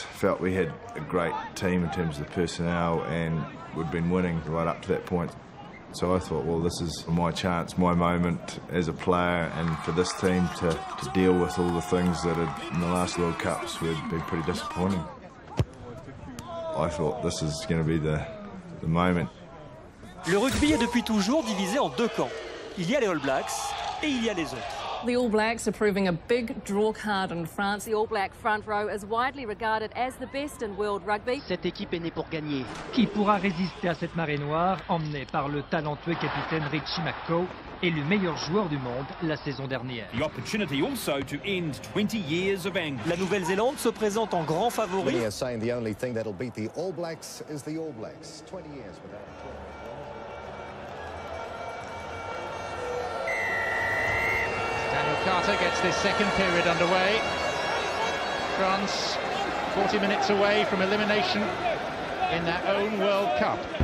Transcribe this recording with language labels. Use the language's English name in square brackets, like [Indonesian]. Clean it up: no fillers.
[English] Felt we had a great team in terms of the personnel, and we'd been winning right up to that point. So I thought, well, this is my chance, my moment as a player and for this team to deal with all the things that had, in the last World Cups, we'd been pretty disappointing. I thought this is going to be the moment. [French] Le rugby est depuis toujours divisé en deux camps. Il y a les All Blacks et il y a les autres. [English] The All Blacks are proving a big draw card in France. The All Black front row is widely regarded as the best in world rugby. [French] Cette équipe est née pour gagner. Qui pourra résister à cette marée noire emmenée par le talentueux capitaine Richie McCaw, élu meilleur joueur du monde la saison dernière. [English] The opportunity also to end 20 years of anger. [French] La Nouvelle-Zélande se présente en grand favori. [English] Many are saying the only thing that'll beat the All Blacks is the All Blacks. 20 years without a tour. Carter gets this second period underway. France, 40 minutes away from elimination in their own World Cup.